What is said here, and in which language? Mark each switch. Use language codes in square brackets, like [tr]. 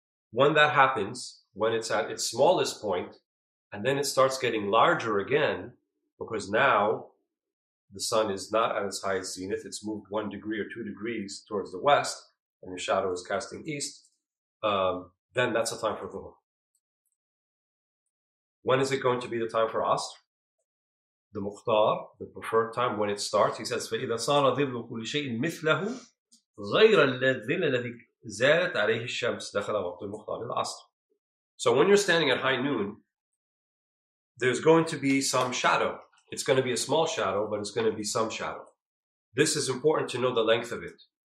[en] When that happens, when it's at its smallest point, and then it starts getting larger again, because now the sun is not at its highest zenith, it's moved 1 degree or 2 degrees towards the west, and your shadow is casting east, Then that's a time for dhuhr. When is it going to be the time for asr? The mukhtar, the preferred time when it starts, he says, [ar] فَإِذَا صَارَ ظِلُّ كُلِّ شَيْءٍ مِثْلَهُ غَيْرَ الظِّلَّ الَّذِي زَالَتْ عَلَيْهِ الشَّمْسِ دَخَلَ وَقْتُ الْمُخْتَارِ الْعَصْرِ. [en] So when you're standing at high noon, there's going to be some shadow. It's going to be a small shadow, but it's going to be some shadow. This is important to know the length of it.